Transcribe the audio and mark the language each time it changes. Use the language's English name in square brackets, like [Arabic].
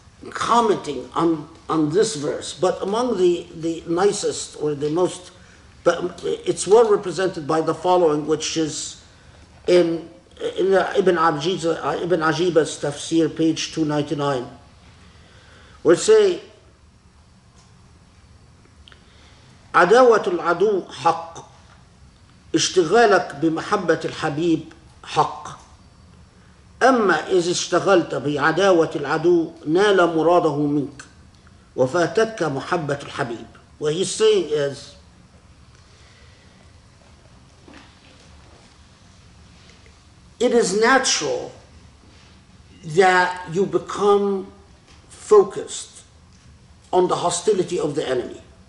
[English] commenting on this verse, but among the nicest or the most, but it's well represented by the following, which is in Ibn Ajiba's tafsir, page 299, where it say, [Arabic] adawatul adu haqq, ishtighalak bimahabbatil habib haqq. أما إذا اشتغلت بعداوة العدو نال مراده منك وفاتتك محبة الحبيب. [English] What he's saying is, it is natural that you become focused on the hostility of the enemy.